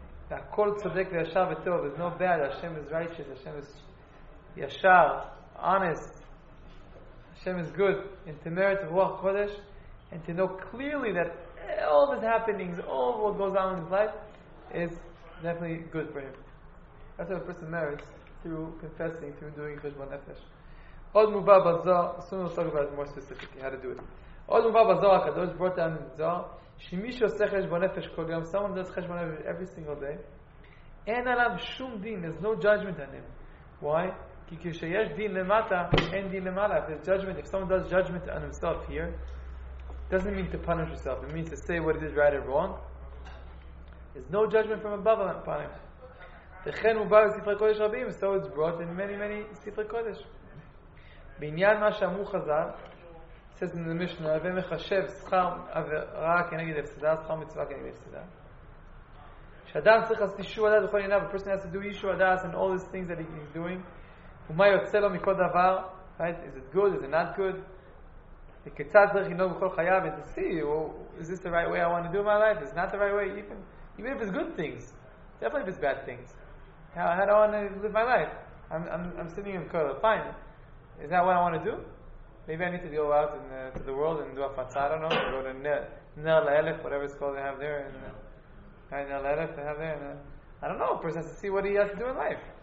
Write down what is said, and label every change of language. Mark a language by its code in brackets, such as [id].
[he] הכל צודק וישר וטוב, [en] there's no bad, Hashem is righteous, Hashem is ישר, honest, Hashem is good, and to merit Ruach Kodesh, and to know clearly that all of his happenings, all of what goes on in his life, is definitely good for him. That's what a person merits, through confessing, through doing Cheshbon Nefesh. [he] עוד מובא בזוהר, [en] soon we'll talk about it more specifically, how to do it. [he] עוד מובא בזוהר, הקדוש ברוך הוא אומר בזוהר, שמי שעושה חשבון נפש כל יום, [en] someone does חשבון נפש every single day, [he] אין עליו שום דין, [en] there's no judgment on him. Why? [he] כי כשיש דין למטה, אין דין למעלה. [en] If there's judgment, if someone does judgment on himself here, doesn't mean to punish himself, it means to say what he did right or wrong. There's no judgment from above upon him. [he] וכן הוא בא לספרי קודש רבים, [en] so it's brought in many, many [he] ספרי קודש. בעניין מה שאמרו חז"ל, [en] says in the Mishnah, [he] הווה מחשב שכר עבירה כנגד הפסדה, שכר מצווה כנגד הפסדה. כשאדם צריך לעשות אישור הדעת בכל עניין, [en] a person has to do אישור הדעת and all these things that he's doing, [he] ומה יוצא לו מכל דבר, right? [en] Is it good? Is it not good? [he] וכיצד צריך לנהוג בכל חייו, [en] and to see, well, is this the right way I want to do in my life? Is it not the right way? Even if it's good things, definitely if it's bad things. How do I want to live my life? I'm sitting in Kodal, fine. Is that what I want to do? Maybe I need to go out in to the world and do a fatzah, I don't know, go to Ner Lelech, whatever it's called they have there, and Ner Lelech they have there, and I don't know, a person has to see what he has to do in life.